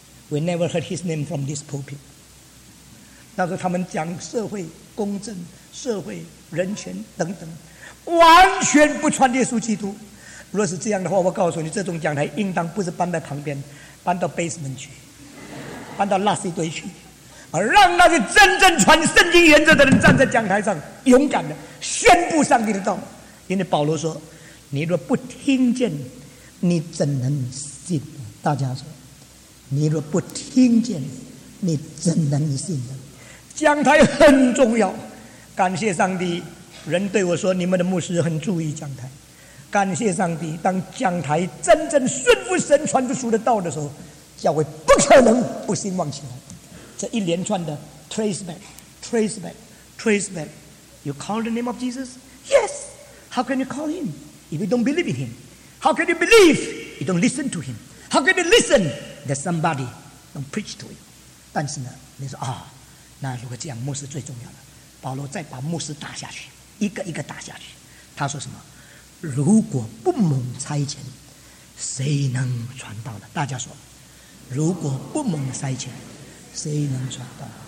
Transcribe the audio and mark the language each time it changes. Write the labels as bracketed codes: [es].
[en] We never heard his name from this pulpit. [zh] 那时候他们讲社会公正、社会人权等等，完全不传耶稣基督。若是这样的话，我告诉你，这种讲台应当不是搬在旁边，搬到 basement 去，搬到垃圾堆去，让那些真正传圣经原则的人站在讲台上，勇敢的宣布上帝的道。因为保罗说，你若不听见，你怎能信呢？大家说，你若不听见，你怎能信呢？讲台很重要，感谢上帝，人对我说，你们的牧师很注意讲台。感谢上帝，当讲台真正顺服神传出的道的时候，教会不可能不兴旺起来。这一连串的 [en] trace back， you call the name of Jesus? Yes. How can you call him if you don't believe in him? How can you believe if you don't listen to him? How can you listen that somebody don't preach to you? [zh] 但是呢，你说啊，那如果这样，牧师最重要了。保罗再把牧师打下去，一个一个打下去。他说什么？如果不蒙差遣，谁能传道呢？大家说，如果不蒙差遣，谁能传道？